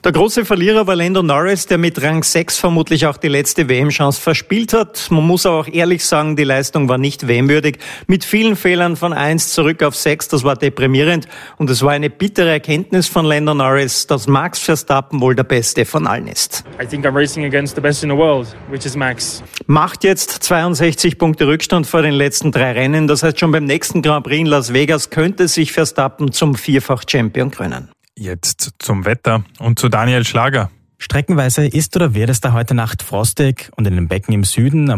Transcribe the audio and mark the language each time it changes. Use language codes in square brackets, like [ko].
[de] Der große Verlierer war Lando Norris, der mit Rang 6 vermutlich auch die letzte WM-Chance verspielt hat. Man muss aber auch ehrlich sagen, die Leistung war nicht WM-würdig. Mit vielen Fehlern von 1 zurück auf 6, das war deprimierend. Und es war eine bittere Erkenntnis von Lando Norris, dass Max Verstappen wohl der Beste von allen ist. [en] I think I'm racing against the best in the world, which is Max. [de] Macht jetzt 62 Punkte Rückstand vor den letzten drei Rennen. Das heißt, schon beim nächsten Grand Prix in Las Vegas könnte sich Verstappen zum Vierfach-Champion krönen. Jetzt zum Wetter und zu Daniel Schlager. Streckenweise ist oder wird es da heute Nacht frostig und in den Becken im Süden, am